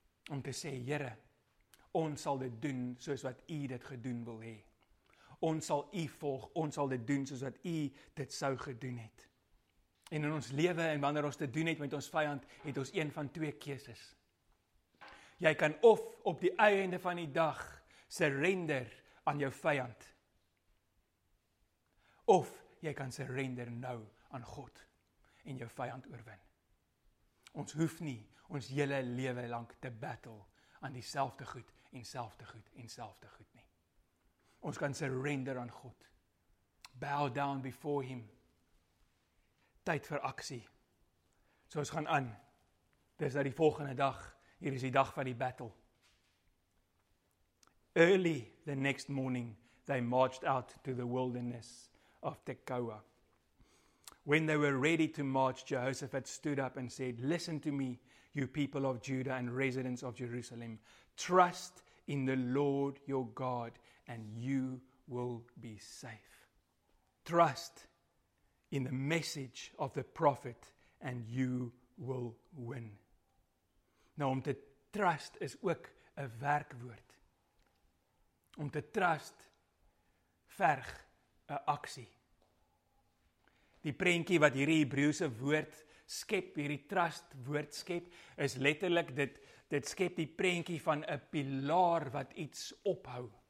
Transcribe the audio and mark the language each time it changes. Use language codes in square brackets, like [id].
[af] Om te sê, Here, ons sal dit doen soos wat u dit gedoen wil hê. Ons sal u volg, ons sal dit doen soos wat u dit sou gedoen het. En in ons lewe en wanneer ons te doen het met ons vyand, het ons een van twee keuses. Jy kan of op die einde van die dag surrender aan jou vyand. Of jy kan surrender nou aan God en jou vyand oorwin. Ons hoef nie ons hele lewe lank te battle aan dieselfde goed en selfde goed en selfde goed nie. Ons kan surrender aan God. [en] Bow down before him. [af] Tyd vir aksie. So ons gaan aan. Dis dat die volgende dag, hier is die dag van die battle. [en] Early the next morning, they marched out to the wilderness of Tekoa. When they were ready to march, Jehoshaphat stood up and said, "Listen to me, you people of Judah and residents of Jerusalem. Trust in the Lord your God and you will be safe. Trust in the message of the prophet and you will win." [af] Nou om te trust is ook 'n werkwoord. Om te trust verg 'n aksie. Die prentjie wat hierdie Hebreëse woord skep, hierdie trust woord skep, is letterlik dit skep die prentjie van 'n pilaar wat iets ophou.